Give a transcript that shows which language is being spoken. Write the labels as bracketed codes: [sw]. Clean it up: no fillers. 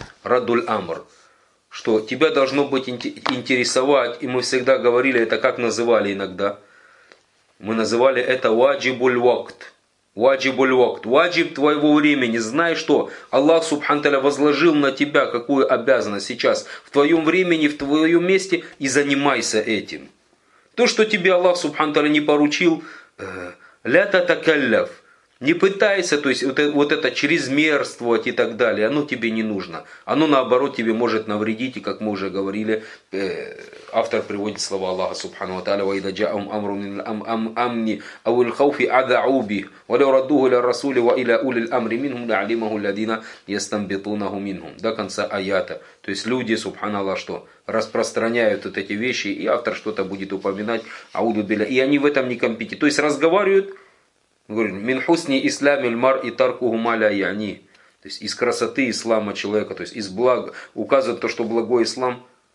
[ru] Раддуль амр, что тебя должно быть интересовать, и мы всегда говорили, это как называли иногда, мы называли это ваджибуль вакт, ваджибуль вакт, ваджиб твоего времени, знай что, Аллах Субхану Тааля возложил на тебя какую обязанность сейчас, в твоем времени, в твоем месте, и занимайся этим. То, что тебе Аллах Субхану Тааля не поручил, [ar] лята такалляв, [ru] не пытайся, то есть вот это чрезмерствовать и так далее, оно тебе не нужно. Оно наоборот тебе может навредить, и как мы уже говорили, автор приводит слова Аллаха Субхану Тааля, [ar] وَإِذَا جَاءَهُمْ أَمْرٌ مِنَ الْأَمْنِ أَوِ الْخَوْفِ أَذَعُوا بِهِ وَلَوْ رَدُّوهُ إِلَى الرَّسُولِ وَإِلَى أُولِي الْأَمْرِ مِنْهُمْ لَعَلِمَهُ الَّذِينَ يَسْتَنْبِطُونَهُ مِنْهُمْ. [ru] До конца аята. То есть люди, Субхану Аллах, что распространяют вот эти вещи, и автор что-то будет упоминать, ауду билля, и они в этом не компетентны. То есть разговаривают. Говорит, [ar] «Мин хусни исламиль мар и таркуху маля яни». [ru] То есть, из красоты ислама человека, то есть, из блага, указывает то, что благой ислам.